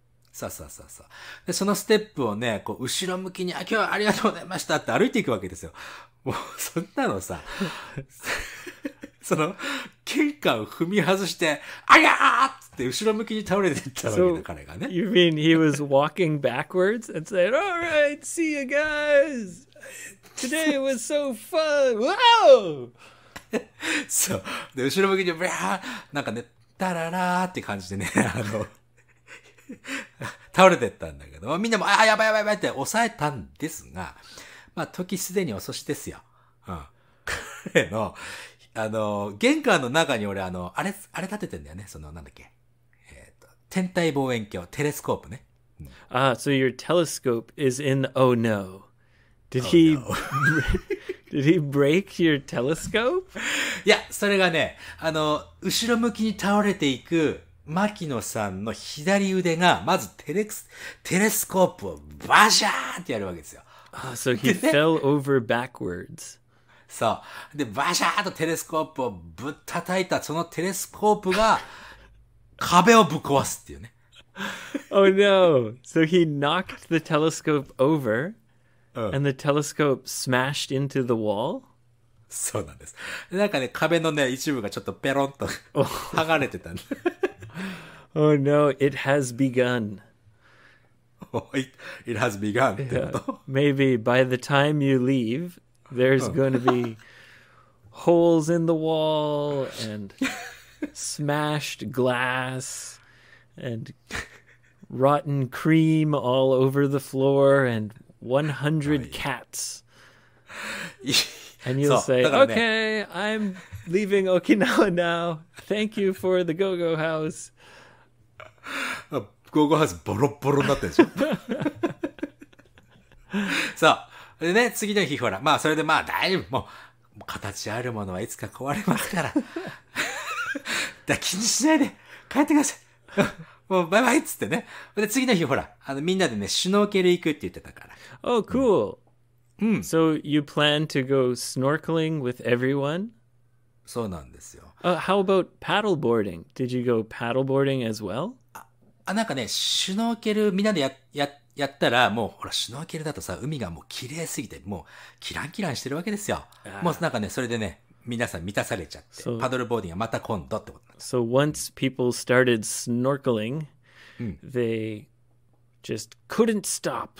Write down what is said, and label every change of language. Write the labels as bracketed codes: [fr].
[ja] そうそうそうそう。で、そのステップをね、こう、後ろ向きに、あ、今日はありがとうございましたって歩いていくわけですよ。もう、そんなのさ、その、玄関を踏み外して、あやーって後ろ向きに倒れていったわけだ、彼がね。 [en] You mean he was walking backwards and said, All right, see you guys! Today was so fun! Wow! [ja] そう。で、後ろ向きに、ブラーなんかね、ダララーって感じでね、倒れていったんだけど、みんなも、あ、やばいやばいやばいって抑えたんですが、まあ、時すでに遅しですよ。うん。彼の、玄関の中に俺あれ立ててんだよね。その、なんだっけ。天体望遠鏡、テレスコープね。 [en] Ah,、うん、so your telescope is in the, oh no. Did he,、oh, no. did he break your telescope? [ja] いや、それがね、後ろ向きに倒れていく、牧野さんの左腕が、まずテレスコープをバシャーンってやるわけですよ。 [en] Ah, so he、ね、fell over backwards. [ja] そう。で、バシャーっとテレスコープをぶったたいた、そのテレスコープが壁をぶっ壊すっていうね。 [en] Oh no! So he knocked the telescope over,、うん、and the telescope smashed into the wall? [ja] そうなんです。なんかね、壁のね、一部がちょっとペロンと剥がれてたね。 [en] Oh no! It has begun. It has begun [ja] ってこと、 [en] yeah. Maybe by the time you leave,There's going to be holes in the wall and smashed glass and rotten cream all over the floor and 100 cats. And you'll say, okay, I'm leaving Okinawa now. Thank you for the go-go house. [ja] Go-go house ボロボロになってるでしょ。さあ。でね、次の日ほら、まあそれでまあ大丈夫、もう形あるものはいつか壊れますから。だから気にしないで、帰ってください。もうバイバイっつってね。で、次の日ほら、みんなでね、シュノーケル行くって言ってたから。 [en] Oh, cool.、うん、 So you plan to go snorkeling with everyone? [ja] そうなんですよ。 [en] How about paddleboarding? Did you go paddleboarding as well? [ja] なんかね、シュノーケルみんなでやったら、もうほら、シュノーケルだとさ、海がもう綺麗すぎて、もうキランキランしてるわけですよ。もうなんかね、それでね、皆さん満たされちゃって、パドルボーディングはまた今度ってこと。 [en] So once people started snorkeling, they just couldn't stop.